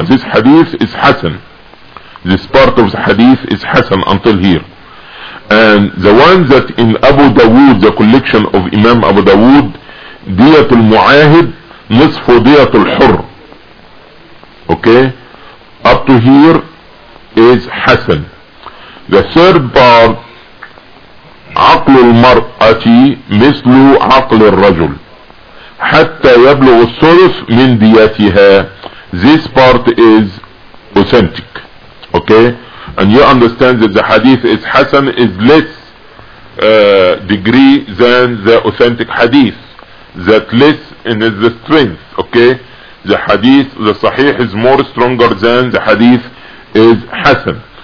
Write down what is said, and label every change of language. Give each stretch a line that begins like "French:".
English: This hadith is Hassan. This part of the hadith is Hassan until here. And the one that in Abu Dawood, the collection of Imam Abu Dawood,
Arabic: دية المعاهد نصف دية الحر.
English: Okay, up to here is Hassan. The third part,
Arabic: عقل المرأة مثل عقل الرجل حتى يبلغ الثلث من دياتها.
English: This part is authentic. Okay, and you understand that the hadith is Hassan is less degree than the authentic hadith, that less in the strength. Okay, the hadith, the sahih is more stronger than the hadith is Hassan.